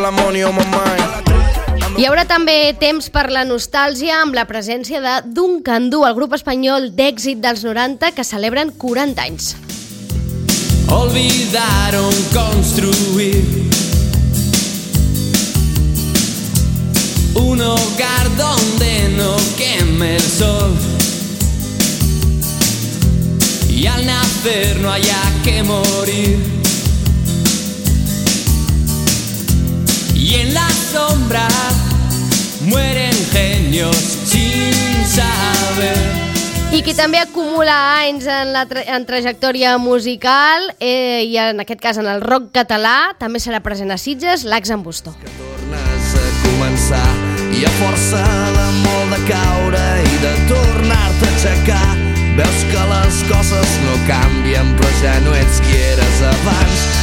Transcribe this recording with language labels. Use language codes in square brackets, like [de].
[ca] Hi haurà també temps per la nostàlgia amb la presència de Duncan Du, el grup espanyol d'èxit dels 90 que celebren 40 anys. Oh. [es] olvidaron construir un hogar donde no queme el sol y al nacer no haya que morir. Y en la sombra mueren genios sin saber. [ca] I qui també acumula anys en la trajectòria musical i en aquest cas en el rock català també serà present a Sitges, l'Ax en Bustó. Que tornes a començar i a força de molt de caure i de tornar-te a aixecar veus que les coses no canvien però ja no ets qui eres abans.